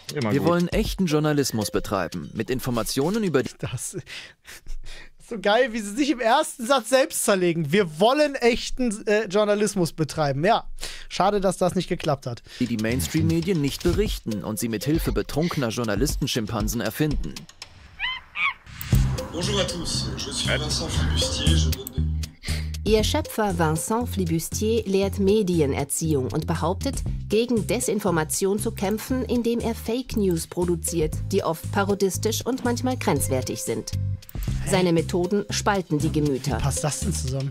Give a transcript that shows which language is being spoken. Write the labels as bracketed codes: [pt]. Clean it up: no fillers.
[de] Wir wollen echten Journalismus betreiben, mit Informationen über die... Das ist so geil, wie sie sich im ersten Satz selbst zerlegen. Wir wollen echten Journalismus betreiben. Ja, schade, dass das nicht geklappt hat. Die Mainstream-Medien nicht berichten und sie mithilfe betrunkener Journalisten-Schimpansen erfinden. [fr] Bonjour à tous, je suis Vincent Flibustier, je... [de] Ihr Schöpfer Vincent Flibustier lehrt Medienerziehung und behauptet, gegen Desinformation zu kämpfen, indem er Fake News produziert, die oft parodistisch und manchmal grenzwertig sind. Seine Methoden spalten die Gemüter. Wie passt das denn zusammen?